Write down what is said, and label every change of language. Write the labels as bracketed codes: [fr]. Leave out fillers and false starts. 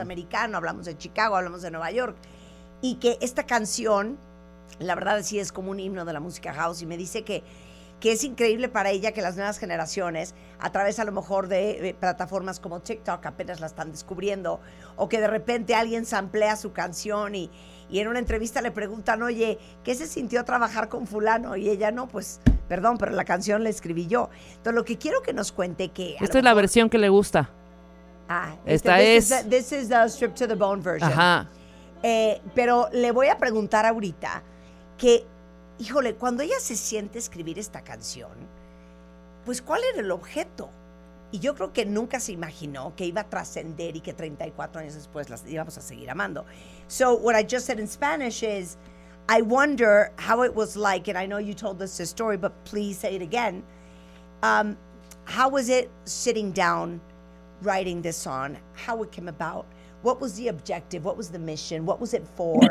[es] Americano, hablamos de Chicago, hablamos de Nueva York, y que esta canción, la verdad sí es como un himno de la música house, y me dice que es increíble para ella que las nuevas generaciones, a través a lo mejor de plataformas como TikTok, apenas la están descubriendo, o que de repente alguien samplea su canción y en una entrevista le preguntan, oye, ¿qué se sintió trabajar con fulano? Y ella, no, pues, perdón, pero la canción la escribí yo. Entonces, lo que quiero que nos cuente que... Esta es la versión que le gusta. [en] This is the Stripped to the Bone version. [es] Ajá. Pero le voy a preguntar ahorita que, híjole, cuando ella se siente escribir esta canción, pues, ¿cuál era el objeto? Y yo creo que nunca se imaginó que iba a trascender y que 34 años después las íbamos a seguir amando. [en] So what I just said in Spanish is, I wonder how it was like, and I know you told us this story, but please say it again. How was it sitting down, writing this song? How it came about? What was the objective? What was the mission? What was it for?